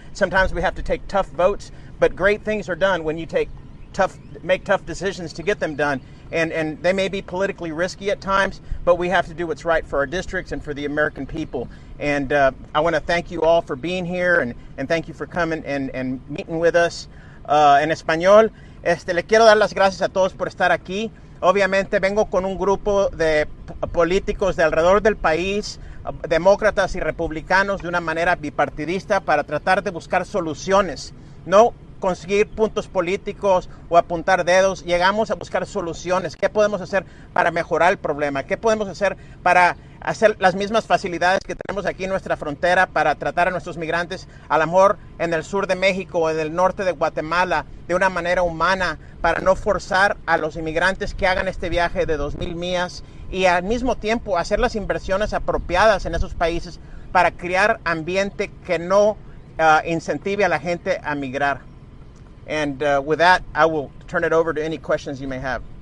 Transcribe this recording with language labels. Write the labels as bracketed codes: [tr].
[en] Sometimes we have to take tough votes, but great things are done when you make tough decisions to get them done. And they may be politically risky at times, but we have to do what's right for our districts and for the American people. And I want to thank you all for being here and thank you for coming and meeting with us. [es] En español, le quiero dar las gracias a todos por estar aquí. Obviamente, vengo con un grupo de políticos de alrededor del país, demócratas y republicanos, de una manera bipartidista para tratar de buscar soluciones. No conseguir puntos políticos o apuntar dedos, llegamos a buscar soluciones. ¿Qué podemos hacer para mejorar el problema? ¿Qué podemos hacer para hacer las mismas facilidades que tenemos aquí en nuestra frontera para tratar a nuestros migrantes, a lo mejor en el sur de México o en el norte de Guatemala, de una manera humana, para no forzar a los inmigrantes que hagan este viaje de 2,000 millas y al mismo tiempo hacer las inversiones apropiadas en esos países para crear ambiente que no incentive a la gente a migrar? [en] And with that, I will turn it over to any questions you may have.